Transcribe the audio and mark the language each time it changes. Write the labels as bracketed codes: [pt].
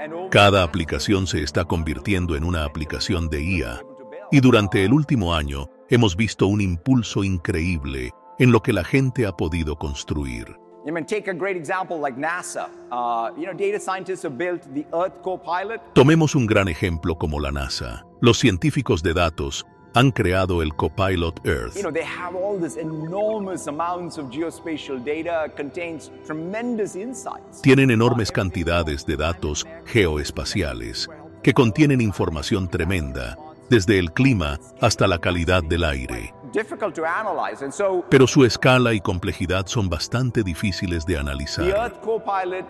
[es] Cada aplicación se está convirtiendo en una aplicación de IA, y durante el último año hemos visto un impulso increíble en lo que la gente ha podido construir. Tomemos un gran ejemplo como la NASA. Los científicos de datos han creado el Copilot Earth. [en] You know, they have all this enormous amounts of geospatial data, contains tremendous insights. [es] Tienen enormes cantidades de datos geoespaciales que contienen información tremenda, desde el clima hasta la calidad del aire. [en] Difficult to analyze, and so, [es] pero su escala y complejidad son bastante difíciles de analizar. [en] The Earth Copilot,